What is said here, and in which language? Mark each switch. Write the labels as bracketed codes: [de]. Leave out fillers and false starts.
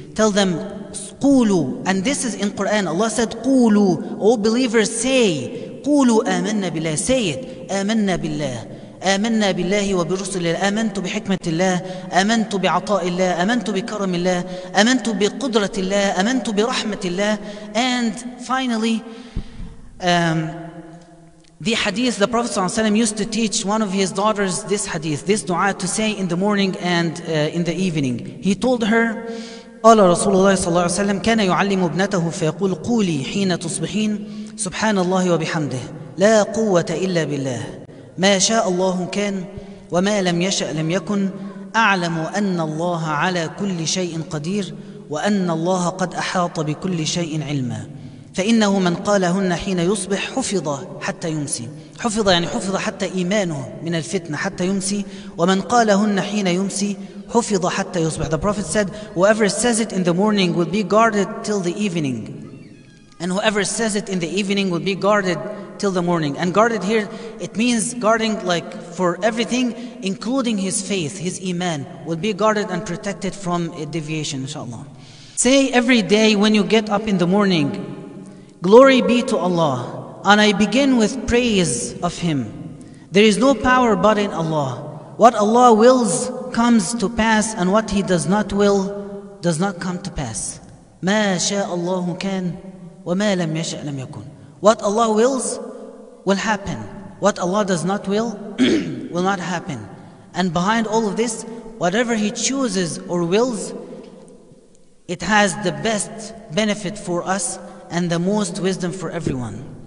[en] Tell them, [ar] قولوا, [en] and this is in Quran. Allah said, [ar] قولوا, [en] O believers, say, [ar] قولوا آمنا بالله, [en] say it, [ar] آمنا بالله, آمنا بالله وبرسل الله, آمنت بحكمة الله, آمنت بعطاء الله, آمنت بكرم الله, آمنت بقدرة الله, آمنت برحمة الله. [en] And finally, the hadith, the Prophet ﷺ used to teach one of his daughters this hadith, this dua, to say in the morning and in the evening. He told her, [ar] قال رسول الله صلى الله عليه وسلم كان يعلم ابنته فيقول قولي حين تصبحين سبحان الله وبحمده لا قوة إلا بالله ما شاء الله كان وما لم يشأ لم يكن أعلم أن الله على كل شيء قدير وأن الله قد أحاط بكل شيء علما فإنه من قالهن حين يصبح حفظ حتى يمسي. حفظ يعني حفظ حتى إيمانه من الفتنة حتى يمسي. ومن قالهن حين يمسي حفظ حتى يصبح. [en] The Prophet said, whoever says it in the morning will be guarded till the evening, and whoever says it in the evening will be guarded till the morning. And guarded here, it means guarding like for everything, including his faith, his Iman will be guarded and protected from a deviation, inshallah. Say every day when you get up in the morning, glory be to Allah, and I begin with praise of Him. There is no power but in Allah. What Allah wills comes to pass, and what He does not will does not come to pass. [ar] ما شاء الله كان وما لم يشأ لم يكن. [en] What Allah wills will happen. What Allah does not will will not happen. And behind all of this, whatever He chooses or wills, it has the best benefit for us and the most wisdom for everyone.